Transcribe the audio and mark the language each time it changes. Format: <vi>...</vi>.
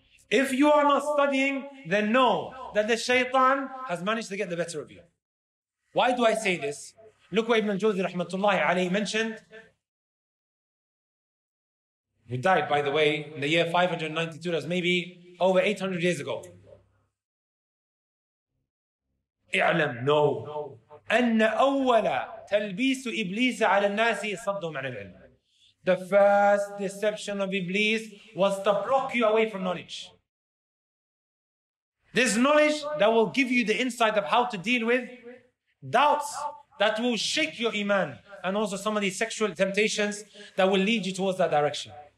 <en>If you are not studying, then know that the shaitan has managed to get the better of you. Why do I say this? Look what Ibn al-Jawzi rahmatullahi alayhi mentioned. He died, by the way, in the year 592, that's maybe over 800 years ago.</en> <ar>اعلم no. أن أول تلبيس إبليس على الناس صدهم عن العلم.</ar> <en>The first deception of Iblis was to block you away from knowledge. This knowledge that will give you the insight of how to deal with doubts that will shake your iman, and also some of these sexual temptations that will lead you towards that direction.</en>